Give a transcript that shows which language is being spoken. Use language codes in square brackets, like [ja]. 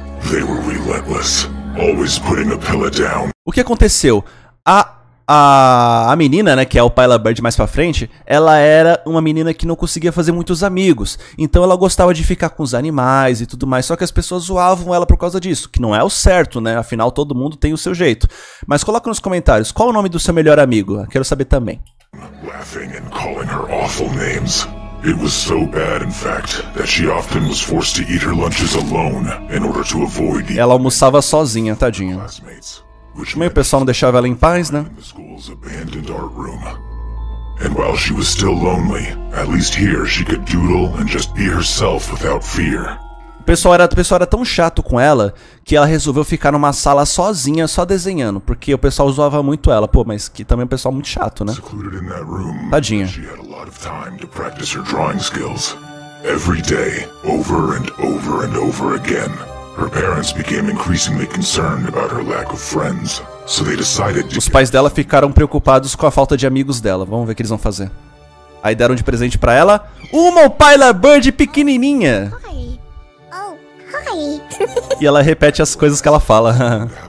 [en] They were relentless, always putting Opaila down. [pt] O que aconteceu? A menina, né, que é a Opaila Bird mais pra frente, ela era uma menina que não conseguia fazer muitos amigos. Então ela gostava de ficar com os animais e tudo mais, só que as pessoas zoavam ela por causa disso. Que não é o certo, né, afinal todo mundo tem o seu jeito. Mas coloca nos comentários, qual o nome do seu melhor amigo? Quero saber também. [en] Laughing and calling her awful names. It was so bad, in fact, that she often was forced to eat her lunches alone in order to avoid. [pt] Ela almoçava sozinha, tadinha. Meio pessoal não deixava ela em paz, né? [en] The school's abandoned art room. And while she was still lonely, at least here she could doodle and just be herself without fear. [pt] O pessoal era tão chato com ela que ela resolveu ficar numa sala sozinha, só desenhando, porque o pessoal zoava muito ela. Pô, mas que também é um pessoal muito chato, né? [en] Secluded in that room, [pt] tadinha. [en] She had a lot of time to practice her drawing skills. Every day, over and over and over again. Her parents became increasingly concerned about her lack of friends, so they decided to... [pt] Os pais dela ficaram preocupados com a falta de amigos dela. Vamos ver o que eles vão fazer. Aí deram de presente pra ela uma Opaila Bird pequenininha. E ela repete as coisas que ela fala.